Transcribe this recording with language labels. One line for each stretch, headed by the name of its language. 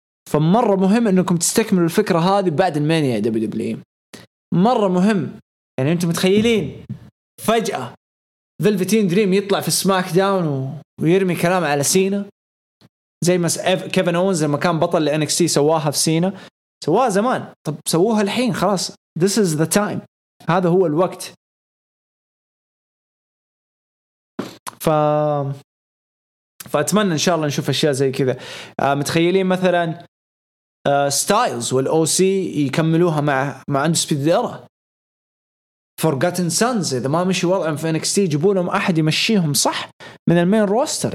Arabic: فمرة مهم انكم تستكملوا الفكرة هذه بعد المانيا WWE, مرة مهم. يعني انتم متخيلين فجأة فيلفتين دريم يطلع في سماك داون ويرمي كلام على سينا زي ما كيفن اونز لما كان بطل لNXT سواها في سينا, سواها زمان, طب سووها الحين خلاص.
English: This is the time,
Arabic: هذا هو الوقت. فأتمنى إن شاء الله نشوف أشياء زي كذا. متخيلين مثلا ستايلز والأوسي يكملوها مع عنده سبيديرا, Forgotten Sons إذا ما مشي وضعهم في NXT يجيبونهم أحد يمشيهم صح من المين روستر.